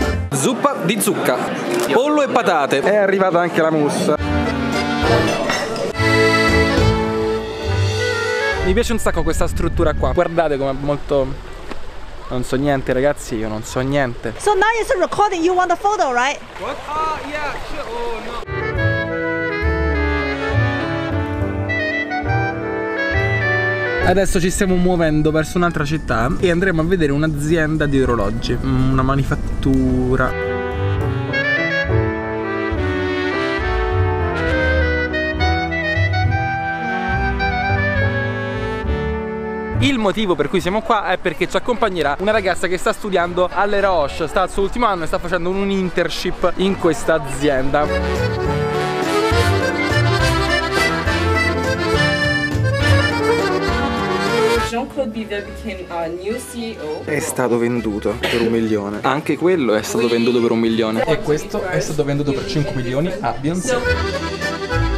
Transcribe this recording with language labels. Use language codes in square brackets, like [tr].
[it] Zuppa di zucca, pollo e patate. È arrivata anche la mousse. Mi piace un sacco questa struttura qua. Guardate com'è molto... Non so niente, ragazzi, io non so niente. [en] So now you're still recording, you want a photo, right? What? Yeah, sure. Oh no. [it] Adesso ci stiamo muovendo verso un'altra città e andremo a vedere un'azienda di orologi, una manifattura. Il motivo per cui siamo qua è perché ci accompagnerà una ragazza che sta studiando alle Roche, sta al suo ultimo anno e sta facendo un internship in questa azienda. [en] Jean-Claude Biver became our new CEO. [it] È stato venduto per 1 milione. Anche quello è stato venduto per 1 milione. E questo è stato venduto per 5 milioni a Beyoncé.